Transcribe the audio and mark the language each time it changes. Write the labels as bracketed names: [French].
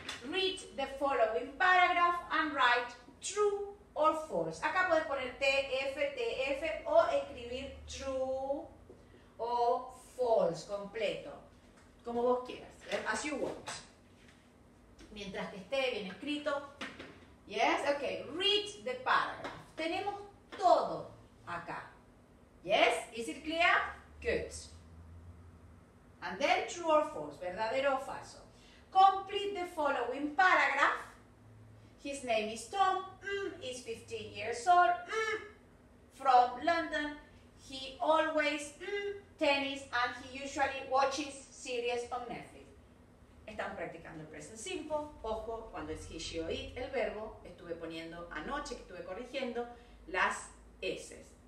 [English] Read the following paragraph and write true or false. [Spanish] Acá puedes poner TF o escribir true o false completo. Como vos quieras, [English] as you want. [Spanish] Mientras que esté bien escrito. [English] Yes, okay, read the paragraph. [Spanish] Tenemos todo acá. [English] Yes, is it clear? Good. And then true or false, [Spanish] verdadero o falso. [English] Complete the following paragraph. His name is Tom, he's 15 years old, from London. He always tennis and he usually watches series on Netflix. [Spanish] Están practicando el present simple. Ojo, cuando es he, she o it, el verbo, estuve poniendo anoche, que estuve corrigiendo, las S.